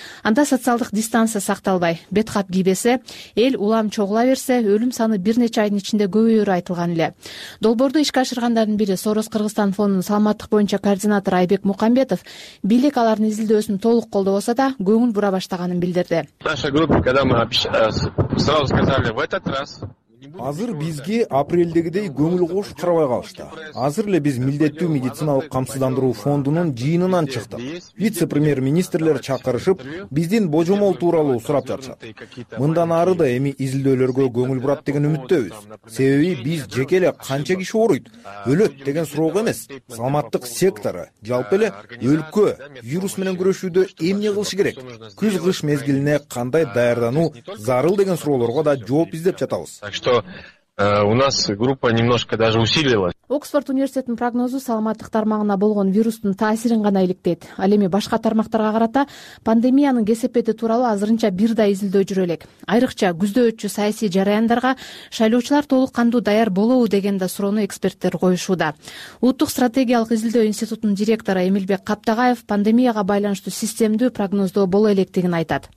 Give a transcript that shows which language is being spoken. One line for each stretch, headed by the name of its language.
Kyrgyz: Анда социалдык дистанция сакталбай, бет кап кийбесе, эл улам чогула берсе, өлүм саны бир нече айдын ичинде көбөйөрү айтылган эле. Долбоорду ишке ашыргандардын бири Сорос Кыргызстан фондунун саламаттык боюнча координатору Айбек Мухамбетов бийлик алардын изилдөөсүн толук колдобосо да, көңүл бура баштаганын билдирди.
Russian: Наша группа, когда мы общались, сразу сказали, в этот раз...
Kyrgyz: Азыр бизге апрелдегидей көңүл кошуп карабай калышты. Азыр эле биз милдеттүү медициналык камсыздандыруу фондунун жыйынынан чыктык. Вице-премьер-министрлер чакырышып, биздин божомол тууралуу сурап жатышат. Мындан ары да эми изилдөөлөргө көңүл бурат деген үмүттөбүз. Себеби биз жеке эле канча киши ооруйт, өлөт деген суроого эмес, саламаттык сектору, жалпы эле өлкө вирус менен күрөшүүдө эмне кылышы керек, күз кыш мезгилине кандай даярдануу зарыл деген суроолорго да жооп издеп жатабыз.
Russian: Что У нас группа немножко даже усилилась.
Kyrgyz: Оксфорд университетинин прогнозу саламаттык тармагына болгон вирустун таасирин гана иликтейт. Ал эми башка тармактарга карата пандемиянын кесепети тууралуу азырынча бир да изилдөө жүрө элек. Айрыкча күздө өтчү саясий жараяндарга шайлоочулар толук кандуу даяр болобу деген да суроону эксперттер коюшууда. Улуттук стратегиялык изилдөө институтунун директору Эмилбек Каптагаев пандемияга байланыштуу системдүү прогноздоо боло электигин айтат.